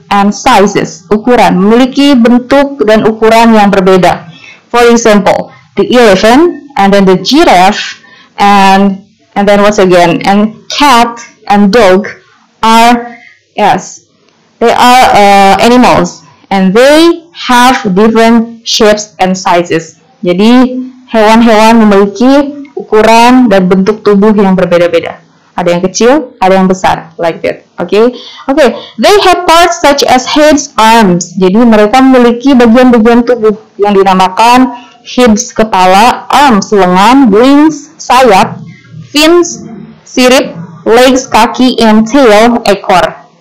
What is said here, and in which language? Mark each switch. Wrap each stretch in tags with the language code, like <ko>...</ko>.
<en>And sizes,</en> <id>ukuran, memiliki bentuk dan ukuran yang berbeda.</id> <en>For example, the elephant, and then the giraffe, and then what's again, and cat and dog are, yes, they are animals, and they have different shapes and sizes.</en> <id>Jadi, hewan-hewan memiliki ukuran dan bentuk tubuh yang berbeda-beda. Ada yang kecil, ada yang besar,</id> <en>like that. Okay, okay. They have parts such as heads, arms.</en> <id>Jadi mereka memiliki bagian-bagian tubuh yang dinamakan heads, kepala, arms, lengan, wings, sayap, fins, sirip, legs, kaki, and tail, ekor.</id>